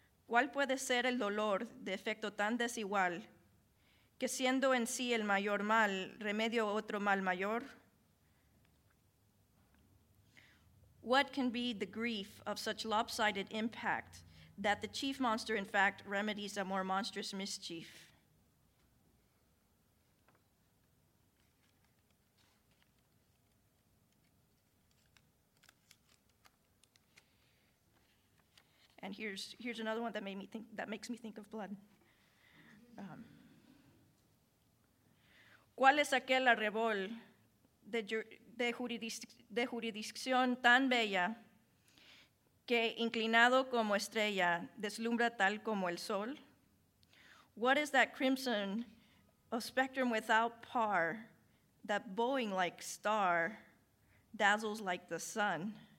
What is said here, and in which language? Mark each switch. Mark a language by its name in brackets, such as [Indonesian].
[Spanish] ¿Cuál puede ser el dolor de efecto tan desigual que siendo en sí el mayor mal remedio otro mal mayor? [English] What can be the grief of such lopsided impact that the chief monster, in fact, remedies a more monstrous mischief? And here's another one that makes me think of blood. [Spanish] ¿Cuál es aquel arrebol de jurisdicción tan bella que inclinado como estrella deslumbra tal como el sol? [English] What is that crimson of spectrum without par that bowing like star dazzles like the sun?